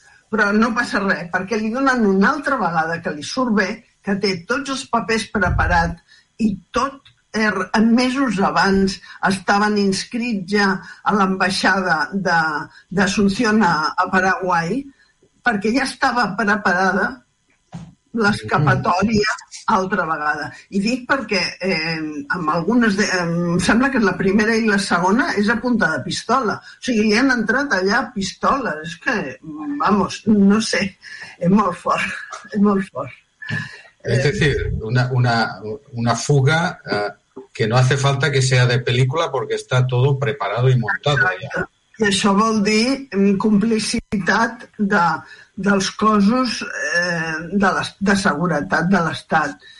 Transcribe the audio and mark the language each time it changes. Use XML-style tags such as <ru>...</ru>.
<ca>Però no passa res, perquè li donen una altra vegada que li surt bé, que té tots els papers preparat i tot mesos abans estaven inscrits ja a l'ambaixada d'Assumpción a Paraguai, perquè ja estava preparada l'escapatòria altra vegada. I dic perquè amb algunes em sembla que la primera i la segona és a punta de pistola. O sigui, li han entrat allà pistoles. És que, vamos, no sé, és molt fort, és molt fort.</ca> <es>Es decir, una fuga que no hace falta que sea de película porque está todo preparado y montado. Exacto. Ya.</es> <ca>I això vol dir complicitat dels cossos de seguretat de l'Estat.</ca>